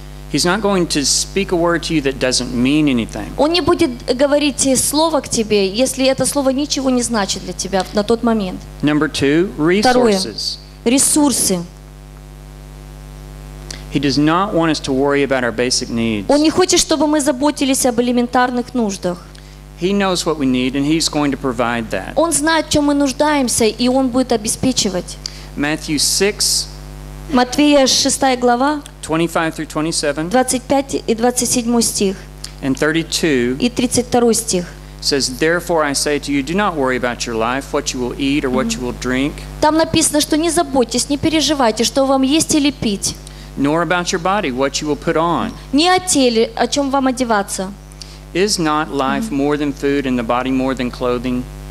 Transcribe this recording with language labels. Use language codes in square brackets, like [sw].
[en] He's not going to speak a word to you that doesn't mean anything. [ru] Он не будет говорить слово к тебе, если это слово ничего не значит для тебя на тот момент. [en] Number two, resources. [ru] Второе, ресурсы. [en] He does not want us to worry about our basic needs. [ru] Он не хочет, чтобы мы заботились об элементарных нуждах. [en] He knows what we need and he's going to provide that. [ru] Он знает, в чём мы нуждаемся, и он будет обеспечивать. [en] Matthew 6. [ru] Матфея 6 глава. [en] 25-27. [ru] 25 и 27 стих. [en] And 32. Says, therefore I say to you, do not worry about your life, what you will eat or what you will drink. [ru] Там написано, что не заботьтесь, не переживайте, что вам есть или пить. [en] Nor about your body, what you will put on. [ru] Не о теле, о чём вам одеваться. [en] Is not life more than food and the body more than clothing?